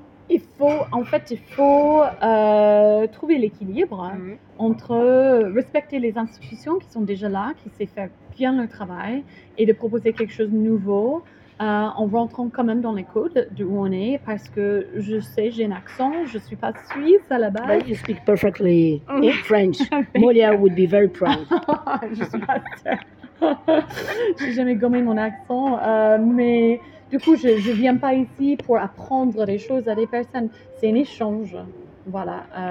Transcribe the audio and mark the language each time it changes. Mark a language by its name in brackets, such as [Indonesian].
[French] Il faut trouver l'équilibre entre respecter les institutions qui sont déjà là, qui savent faire bien leur travail, et de proposer quelque chose de nouveau. en rentrant quand même dans les codes d'où on est, parce que je sais, j'ai un accent, je ne suis pas suisse à la base. [English] But you speak perfectly in French. Molière would be very proud. [French] Je ne suis pas sûre. Je n'ai jamais gommé mon accent. Mais du coup, je ne viens pas ici pour apprendre les choses à des personnes. C'est un échange. Voilà.